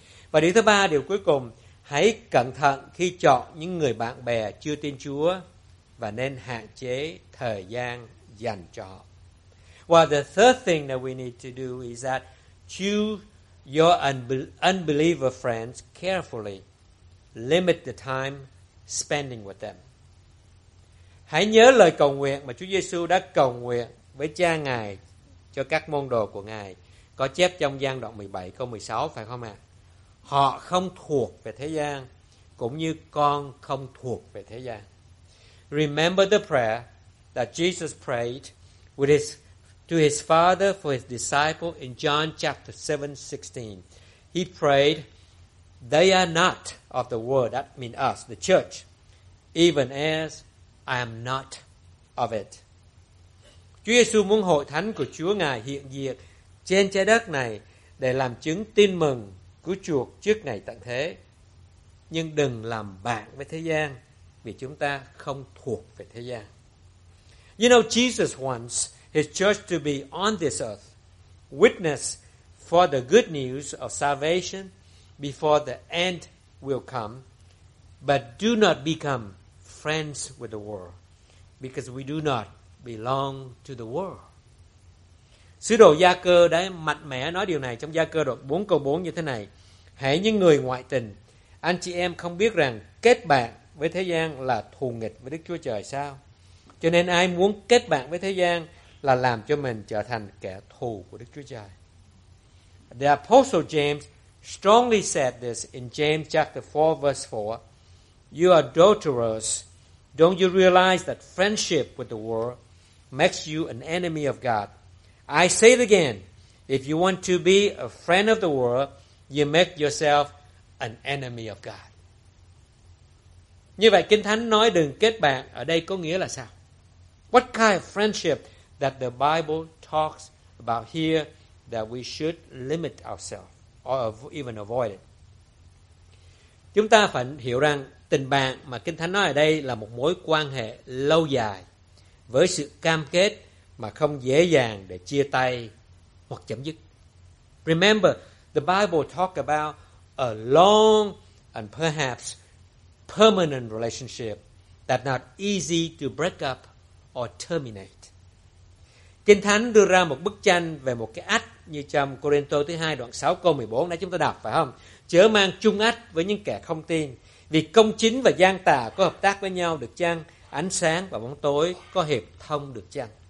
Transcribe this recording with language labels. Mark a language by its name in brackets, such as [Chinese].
[Vietnamese] Và điều thứ ba, điều cuối cùng, hãy cẩn thận khi chọn những người bạn bè chưa tin Chúa và nên hạn chế thời gian dành cho họ. [English] Well, the third thing that we need to do is that choose your unbeliever friends carefully. Limit the time spending with them. [Vietnamese] Hãy nhớ lời cầu nguyện mà Chúa Giêsu đã cầu nguyện với Cha Ngài cho các môn đồ của Ngài, có chép trong Giăng đoạn 17 câu 16, phải không ạ? Họ không thuộc về thế gian, cũng như con không thuộc về thế gian. [English] Remember the prayer that Jesus prayed with his to his Father for his disciples in John chapter 7:16. He prayed, "They are not of the world," that means us, the church, "even as I am not of it." [Vietnamese] Chúa Giêsu muốn hội thánh của Chúa Ngài hiện diện trên trái đất này để làm chứng tin mừng cứu chuộc trước ngày tận thế. Nhưng đừng làm bạn với thế gian vì chúng ta không thuộc về thế gian. [English] You know, Jesus wants his church to be on this earth, witness for the good news of salvation before the end will come, but do not become friends with the world, because we do not belong to the world. [Vietnamese] Sứ đồ Gia-cơ đã mạnh mẽ nói điều này trong Gia-cơ đoạn 4 câu 4 như thế này: "Hãy những người ngoại tình, anh chị em không biết rằng kết bạn với thế gian là thù nghịch với Đức Chúa Trời sao? Cho nên ai muốn kết bạn với thế gian là làm cho mình trở thành kẻ thù của Đức Chúa Trời." [English] The Apostle James strongly said this in James chapter 4 verse 4. "You adulterers, don't you realize that friendship with the world makes you an enemy of God? I say it again, if you want to be a friend of the world, you make yourself an enemy of God." [Vietnamese] Như vậy Kinh Thánh nói đừng kết bạn ở đây có nghĩa là sao? [English] What kind of friendship that the Bible talks about here that we should limit ourselves or even avoid it? [Vietnamese] Chúng ta phải hiểu rằng tình bạn mà Kinh Thánh nói ở đây là một mối quan hệ lâu dài với sự cam kết mà không dễ dàng để chia tay hoặc chấm dứt. [English] Remember, the Bible talk about a long and perhaps permanent relationship that's not easy to break up or terminate. [Vietnamese] Kinh Thánh đưa ra một bức tranh về một cái ách như trong Cô-rinh-tô thứ 2 đoạn 6 câu 14 đã chúng ta đọc, phải không? Chớ mang chung ách với những kẻ không tin, vì công chính và gian tà có hợp tác với nhau được chăng? Ánh sáng và bóng tối có hiệp thông được chăng?